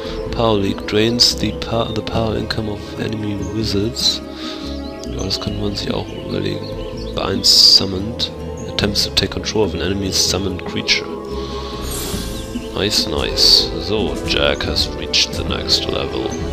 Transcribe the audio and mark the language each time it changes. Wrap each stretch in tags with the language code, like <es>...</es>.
<en>Power Leak drains the power income of enemy wizards.</en> <de>Ja, das könnte man sich auch überlegen.</de> <en>Binds summoned. Attempts to take control of an enemy summoned creature. Nice, nice. So, Jack has reached the next level.</en>